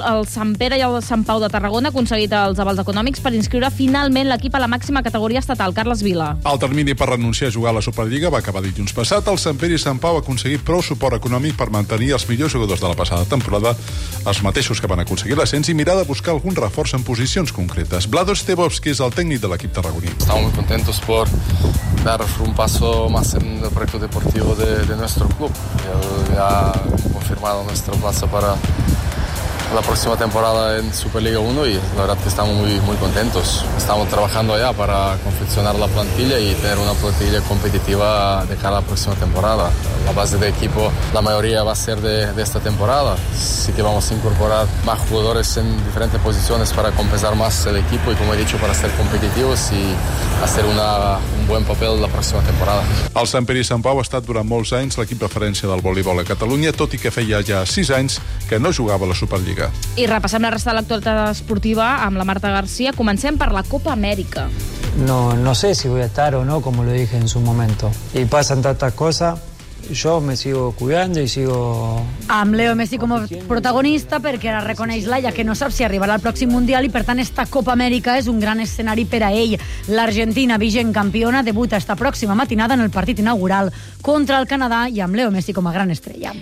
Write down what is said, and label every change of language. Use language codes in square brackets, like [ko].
[ca] El Sant Pere i el Sant Pau de Tarragona han aconseguit els avals econòmics per inscriure finalment l'equip a la màxima categoria estatal. Carles Vila. El termini per renunciar a jugar a la Superliga va acabar dilluns passat. El Sant Pere i Sant Pau han aconseguit prou suport econòmic per mantenir els millors jugadors de la passada temporada, els mateixos que van aconseguir l'ascens, i mirar de buscar algun reforç en posicions concretes. Vlado Stevovski, que és el tècnic de l'equip tarragoní. [es] Estamos muy contentos por dar un paso más en el proyecto deportivo de nuestro club. Ya ha confirmado nuestra plaza para la próxima temporada en Superliga 1 y la verdad que estamos muy, muy contentos. Estamos trabajando ya para confeccionar la plantilla y tener una plantilla competitiva de cara a la próxima temporada. La base de equipo, la mayoría va a ser de esta temporada. Sí que vamos a incorporar más jugadores en diferentes posiciones para compensar más el equipo y, como he dicho, para ser competitivos y hacer un buen papel la próxima temporada. [ca] El Sant Pere i Sant Pau ha estat durant molts anys l'equip referència del voleibol a Catalunya, tot i que feia ja 6 anys que no jugava a la Superliga. Lliga. I repassem la resta de l'actualitat esportiva amb la Marta García. Comencem per la Copa Amèrica. [es] No sé si voy a estar o no, como lo dije en su momento. Y pasan tantas cosas, yo me sigo cuidando y sigo... [ca] Amb Leo Messi com a protagonista, perquè ara reconeix la, ja que no sap si arribarà al pròxim Mundial i, per tant, esta Copa Amèrica és un gran escenari per a ell. L'Argentina, vigent campiona, debuta esta pròxima matinada en el partit inaugural contra el Canadà i amb Leo Messi com a gran estrella.